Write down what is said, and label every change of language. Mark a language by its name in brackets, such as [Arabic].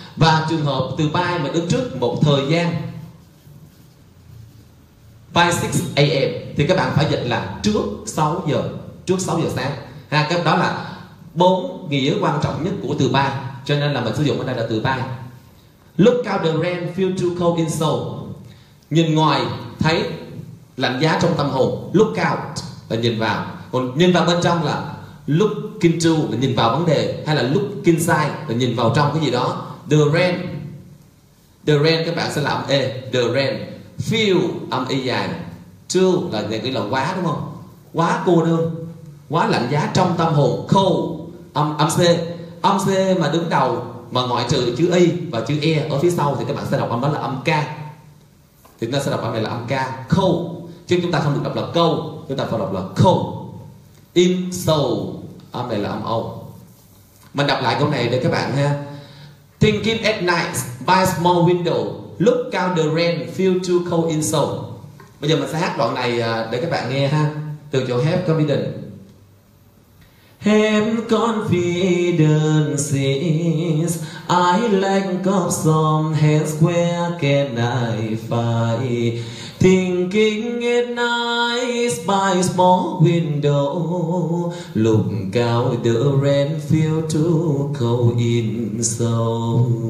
[Vietnamese] Và trường hợp từ by mà đứng trước một thời gian 5-6 a.m. thì các bạn phải dịch là trước 6 giờ sáng, ha. Cái đó là 4 nghĩa quan trọng nhất của từ by, cho nên là mình sử dụng ở đây là từ by. [English] Look out the rain, feel too cold in soul. [Vietnamese] Nhìn ngoài thấy lạnh giá trong tâm hồn. Look out là nhìn vào, còn nhìn vào bên trong là look into, là nhìn vào vấn đề, hay là look inside là nhìn vào trong cái gì đó. The rain các bạn sẽ làm e, the rain. Feel âm y dài, too là nghĩa là quá đúng không? Quá cô đơn, quá lạnh giá trong tâm hồn. Cold âm c mà đứng đầu mà ngoại trừ chữ y và chữ e ở phía sau thì các bạn sẽ đọc âm đó là âm k. Thì chúng ta sẽ đọc âm này là âm k, cold. Chứ chúng ta không được đọc là cold, chúng ta phải đọc là cold. In soul âm này là âm o. Mình đọc lại câu này để các bạn ha. [English] Thinking at night by small window. Look out the rain, feel too cold in soul. [Vietnamese] Bây giờ mình sẽ hát đoạn này để các bạn nghe ha. Từ chỗ [English] have confidence. Have confidence is I lack of some hands, where can I find? Thinking it nice by small window, look out the rain feel to go in slow.